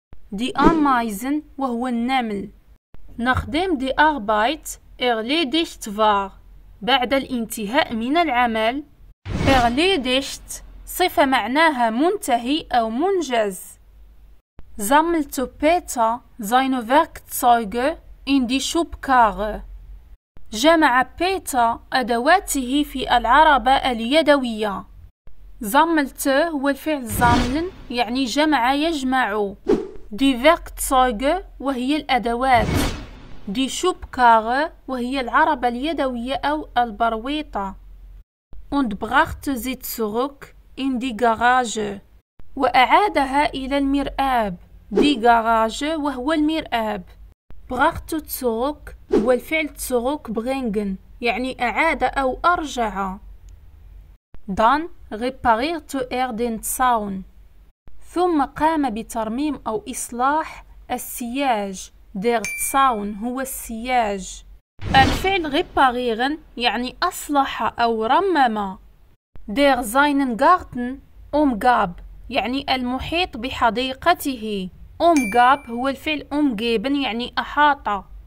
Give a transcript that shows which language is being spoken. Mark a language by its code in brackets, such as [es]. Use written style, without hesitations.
[de] Die Ameisen [ar] وهو النمل. [de] Nachdem die Arbeit erledigt war [ar] بعد الانتهاء من العمل. Erledigt صفة معناها منتهي أو منجز. [de] Sammelte Peter seine Werkzeuge in die Schubkarre. [ar] جمع بيتر أدواته في العربة اليدوية. Sammelte هو الفعل sammeln يعني جمع يجمع. [de] Die Werkzeuge [ar] وهي الأدوات. [de] Die Schubkarre [ar] وهي العربة اليدوية أو البرويطة. [de] und brachte sie zurück in die Garage. [ar] وأعادها إلى المرآب. [de] Die Garage [ar] وهو المرآب. [de] Brachte zurück [ar] والفعل [de] zurück bringen [ar] يعني أعاد أو أرجع. [de] Dann reparierte den Zaun. [ar] ثم قام بترميم أو إصلاح السياج. [de] Der Zaun [ar] هو السياج. الفعل reparieren يعني أصلح أو رمم. [de] Der seinen Garten umgab [ar] يعني المحيط بحديقته. Umgab هو الفعل umgeben يعني أحاط.